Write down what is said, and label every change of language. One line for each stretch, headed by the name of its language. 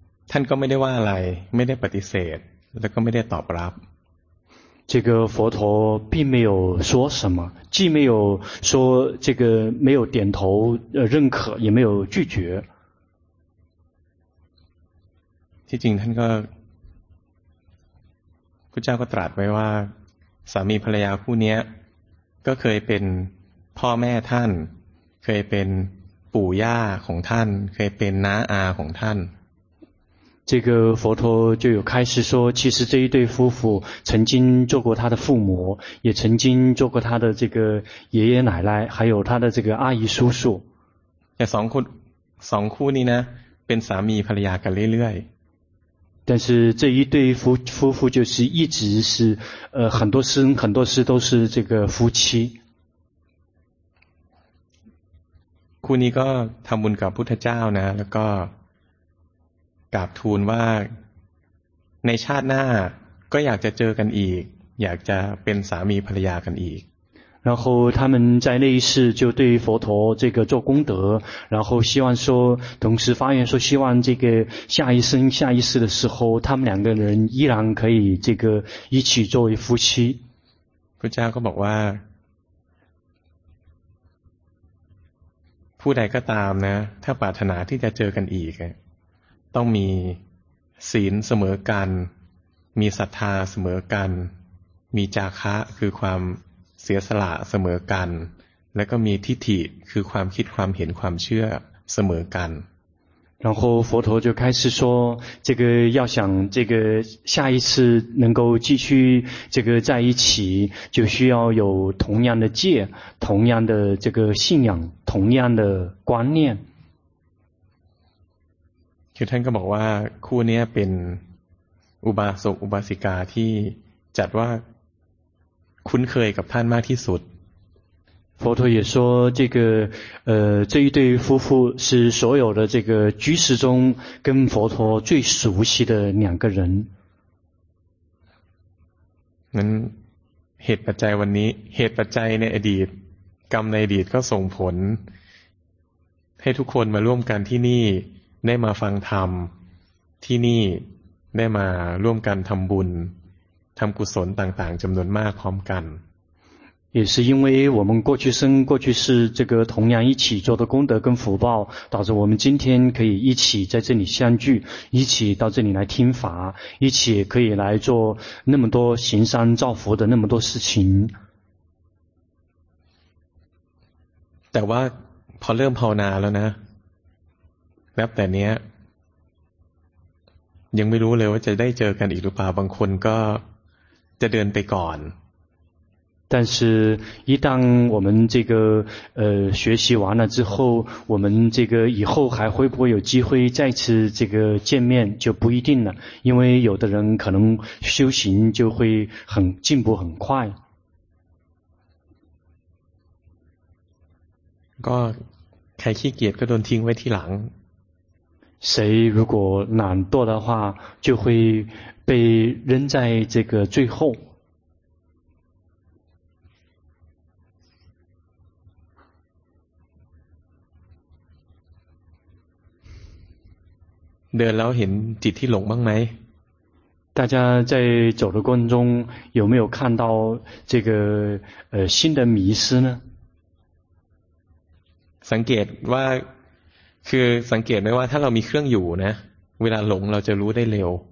Thai: ท่านก็ไม่ได้ว่าอะไรไม่ได้ปฏิเสธแล้วก็ไม่ได้ตอบรับ
Chinese: 这个佛陀并没有说什么既没有说这个没有点头认可也没有拒绝
Thai: ที่จริงท่านก็พระเจ้าก็ตรัสไว้ว่าสามีภรรยาคู่นี้ก็เคยเป็นพ่อแม่ท่านเคยเป็นปู่ย่าของท่านเคยเป็นน้าอาของท่าน
Chinese: 这个佛陀就有开示说其实这一对夫妇曾经做过他的父母也曾经做过他的这个爷爷奶奶还有他的这个阿姨叔叔
Thai: แต่สองคู่นี้นะเป็นสามีภรรยากันเรื่อยๆ
Chinese: 但是这一对夫妇就是一直是很多事都是这个夫妻
Thai: คุณนี่ก็ทำบุญกับพุทธเจ้านะแล้วก็กราบทูลว่าในชาติหน้าก็อยากจะเจอกันอีกอยากจะเป็นสามีภรรยากันอีก
Chinese: 然后他们在那一世就对佛陀这个做功德，然后希望说，同时发愿说，希望这个下一生下一世的时候，他们两个人依然可以这个一起作为夫妻。
Thai: พระเจ้าก็บอกว่าผู้ใดก็ตามนะถ้าปรารถนาที่จะเจอกันอีกต้องมีศีลเสมอกันมีศรัทธาเสมอกันมีจาคะคือความเสียสละเสมอกันแล้วก็มีทิฏฐิคือความคิดความเห็นความเชื่อเสมอกัน
Chinese: 然后佛陀就开始说，这个要想这个下一次能够继续这个在一起，就需要有同样的戒，同样的这个信仰，同样的观念。
Thai: คือท่านก็บอกว่าคู่นี้เป็นอุบาสกอุบาสิกาที่จัดว่าคุ้นเคยกับท่านมากที่สุด
Chinese: 佛陀也说，这个，这一对夫妇是所有的这个居士中跟佛陀最熟悉的两个人。
Thai: นั้น เหตุปัจจัยวันนี้ เหตุปัจจัยในอดีต กรรมในอดีตก็ส่งผลให้ทุกคนมาร่วมกันที่นี่ได้มาฟังธรรมที่นี่ได้มาร่วมกันทำบุญทำกุศลต่างๆจำนวนมากพร้อมกัน
Chinese: 也是因为我们过去生过去是这个同样一起做的功德跟福报，导致我们今天可以一起在这里相聚，一起到这里来听法，一起可以来做那么多行善造福的那么多事情。
Thai: แต่ว่าพอเริ่มภาวนาแล้วนะนับแต่นี้ยังไม่รู้เลยว่าจะได้เจอกันอีกหรือเปล่าบางคนก็จะเดินไปก่อน
Chinese: 但是一旦我们这个学习完了之后，我们这个以后还会不会有机会再次这个见面就不一定了，因为有的人可能修行就会很进步很快。
Thai: ก็ใครขี้เกียจก็โดนทิ้งไว้ที่หลัง
Chinese: 谁如果懒惰的话就会被扔在这个最后。
Thai: เดินแล้วเห็นจิตที่หลงบ้างไหม
Chinese: 大家在走的过程中有没有看到这个新的迷失呢
Thai: สังเกตว่าคือสังเกตไหมว่าถ้าเรามีเครื่องอยู่นะเวลาหลงเราจะรู้ได้เร็ว